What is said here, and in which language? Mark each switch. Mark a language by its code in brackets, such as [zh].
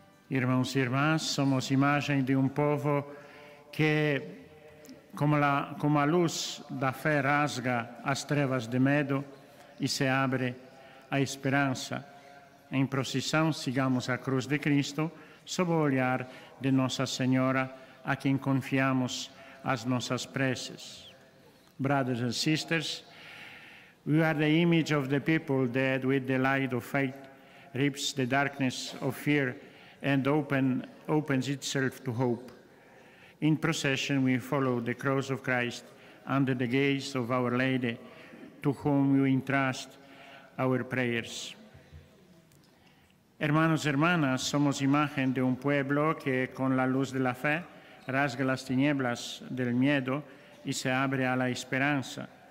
[pt] Irmãos e irmãs, somos imagem de povo que, como a luz da fé rasga as trevas de medo e se abre a esperança. Em procissão, sigamos a cruz de Cristo, sob o olhar de Nossa Senhora, a quem confiamos as nossas preces. [en] Brothers and sisters, we are the image of the people dead with the light of faith, rips the darkness of fear, and opens itself to hope. In procession, we follow the cross of Christ under the gaze of Our Lady, to whom we entrust our prayers. [es] Hermanos, hermanas, somos imagen de pueblo que con la luz de la fe rasga las tinieblas del miedo y se abre a la esperanza.